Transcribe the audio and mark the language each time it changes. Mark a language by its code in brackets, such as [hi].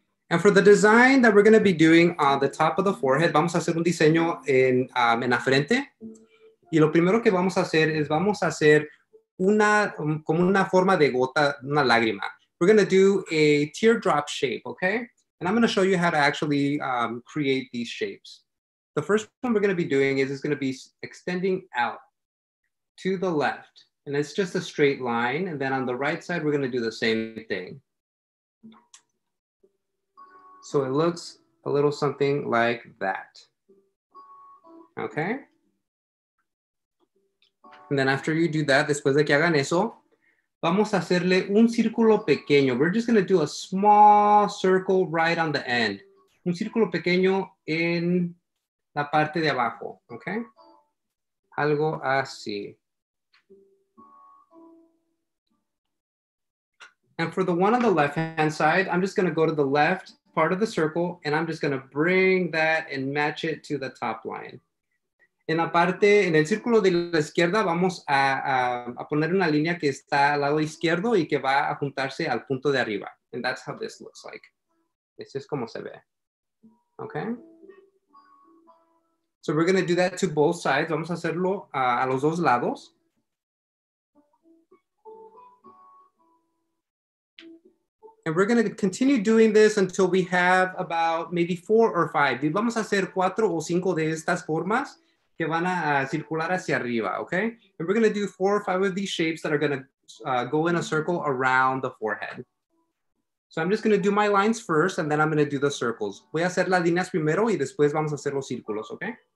[en] And for the design that we're going to be doing on the top of the forehead, [es] vamos a hacer un diseño en la frente. Y lo primero que vamos a hacer es vamos a hacer una como una forma de gota, una lágrima. [en] We're going to do a teardrop shape, okay? And I'm going to show you how to actually create these shapes. The first one we're going to be doing is it's going to be extending out to the left. And it's just a straight line. And then on the right side, we're going to do the same thing. So it looks a little something like that. Okay. And then after you do that, [es] después de que hagan eso, vamos a hacerle un círculo pequeño. [en] We're just going to do a small circle right on the end. [es] Un círculo pequeño en la parte de abajo. Okay. Algo así. [en] And for the one on the left-hand side, I'm just gonna go to the left part of the circle and I'm just gonna bring that and match it to the top line. [es] En la parte, en el círculo de la izquierda, vamos a poner una línea que está al lado izquierdo y que va a juntarse al punto de arriba. [en] And that's how this looks like. This is como se ve, okay? So we're gonna do that to both sides. [es] Vamos a hacerlo a los dos lados. [en] And we're going to continue doing this until we have about maybe four or five. [es] Y vamos a hacer cuatro o cinco de estas formas que van a circular hacia arriba, okay? [en] And we're going to do four or five of these shapes that are going to go in a circle around the forehead. So I'm just going to do my lines first, and then I'm going to do the circles. [es] Voy a hacer las líneas primero y después vamos a hacer los círculos, okay?